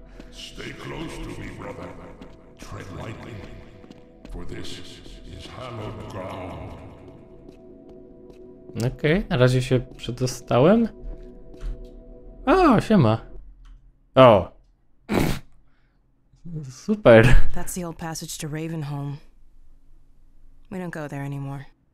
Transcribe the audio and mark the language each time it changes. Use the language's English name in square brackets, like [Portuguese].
[English] Stay close to me, brother. Tread lightly, for this is hallowed ground. [Polish] Okej, na razie się przedostałem. O, siema. O. Super. [English] That's the old passage to Ravenholm. We don't go there anymore.